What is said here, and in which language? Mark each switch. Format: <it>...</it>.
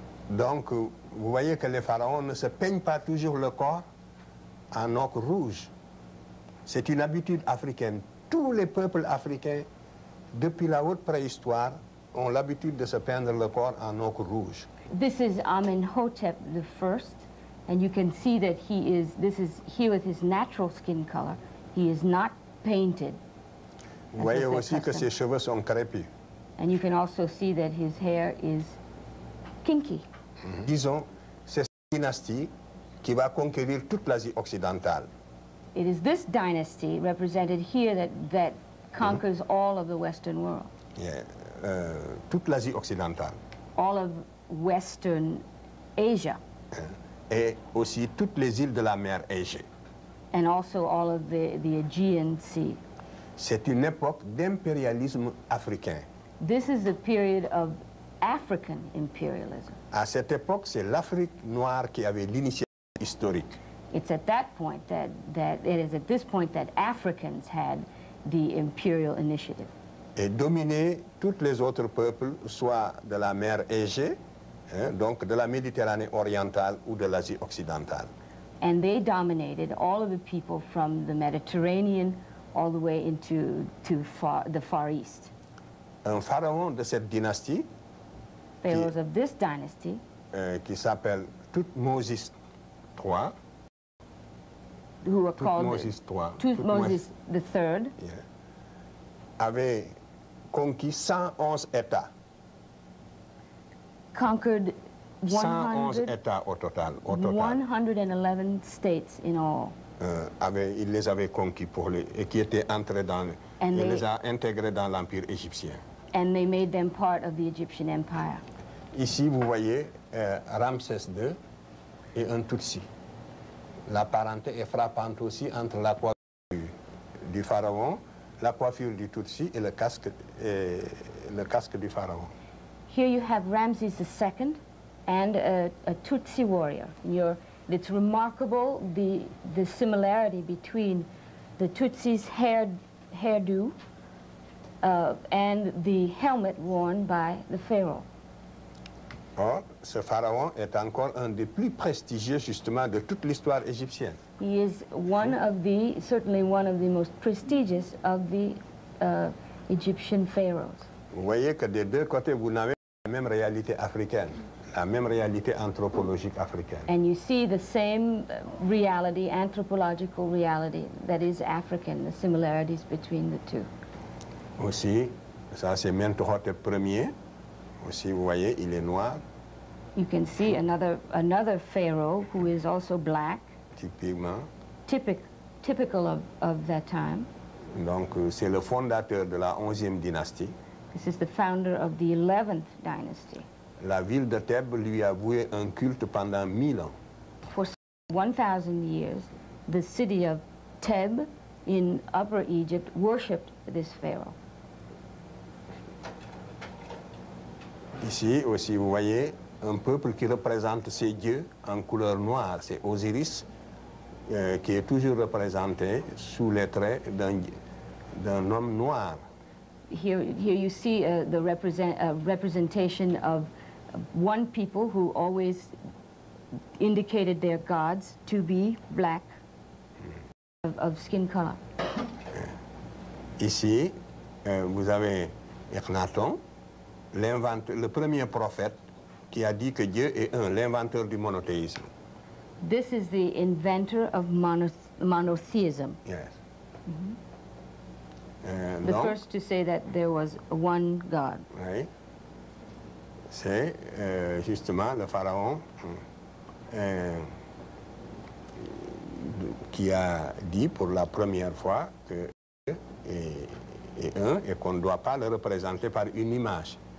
<fr>Donc, vous voyez que les pharaons ne se peignent pas toujours le corps en ocre rouge. C'est une habitude africaine. Tous les peuples africains, depuis la haute préhistoire, ont l'habitude de se peindre le corps en ocre rouge.</fr> <en>This is Amenhotep I, and you can see that he is, this is here with his natural skin color. He is not painted.</en> <fr>Vous voyez aussi que ses cheveux sont crépus.</fr> <en>And you can also see that his hair is kinky.</en> <fr>Disons, c'est cette dynastie qui va conquérir toute l'Asie occidentale.</fr> <en>It is this dynasty represented here that, that conquers all of the Western world.</en> <fr>Yeah. Toute l'Asie occidentale.</fr> <en>All of Western Asia.</en> <fr>Et aussi toutes les îles de la mer Égée.</fr> <en>And also all of the Aegean Sea.</en> <fr>C'est une époque d'impérialisme africain.</fr> <en>This is a period of African imperialism.</en> <fr>À cette époque, c'est l'Afrique noire qui avait l'initiative historique.</fr> <en>It's at that point that, that it is at this point that Africans had the imperial initiative.</en> <fr>Et dominer tous les autres peuples, soit de la mer Égée, hein, donc de la Méditerranée orientale ou de l'Asie occidentale.</fr> <en>And they dominated all of the people from the Mediterranean all the way into the Far East.</en> <fr>Un pharaon de cette dynastie,</fr> <en>pharaohs of this dynasty,</en> <fr>qui s'appelle Thutmose III,</fr> <en>who are called Thutmose the Third,</en> <fr>yeah, avait conquis 111 États.</fr> <en>Conquered 111</en> <fr>États au total.</fr> <en>111 states in all.</en> <fr>Il les avait conquis pour les, et qui étaient entrés dans,</fr> <en>and</en> <fr>il les a intégrés dans l'empire égyptien.</fr> <en>And they made them part of the Egyptian Empire.</en> <fr>Ici, vous voyez Ramsès II et un Tutsi. La parenté est frappante aussi entre la coiffure du pharaon, la coiffure du Tutsi et le casque du pharaon.</fr> <en>Here you have Ramsès II and a Tutsi warrior. It's remarkable the similarity between the Tutsi's hairdo and the helmet worn by the pharaoh.</en> <fr>Or, ce pharaon est encore un des plus prestigieux justement de toute l'histoire égyptienne.</fr> <en>He is one of the, certainly one of the most prestigious of the Egyptian pharaohs.</en> <fr>Vous voyez que des deux côtés, vous n'avez pas la même réalité africaine. La même réalité anthropologique africaine.</fr> <en>And you see the same reality, anthropological reality, that is African, the similarities between the two.</en> <fr>Aussi, ça c'est Mentuhotep premier. Aussi, vous voyez, il est noir.</fr> <en>You can see another pharaoh who is also black.</en> <fr>Typiquement.</fr> <en>Typical of that time.</en> <fr>Donc, c'est le fondateur de la 11e dynastie.</fr> <en>This is the founder of the 11th dynasty.</en> <fr>La ville de Thèbes lui a voué un culte pendant 1000 ans.</fr> <en>For 1,000 years, the city of Thèbes in Upper Egypt worshipped this pharaoh.</en> <fr>Ici aussi, vous voyez, un peuple qui représente ses dieux en couleur noire, c'est Osiris, qui est toujours représenté sous les traits d'un homme noir.</fr> <en>Here you see representation of one people who always indicated their gods to be black, of skin color.</en> <fr>Ici, vous avez Akhenaton, le premier prophète qui a dit que Dieu est un, l'inventeur du monothéisme.</fr> <en>This is the inventor of monotheism. Yes. Mm-hmm. The first to say that there was one God.</en> <fr>Oui. C'est justement le pharaon qui a dit pour la première fois que Dieu est un et qu'on ne doit pas le représenter par une image.</fr>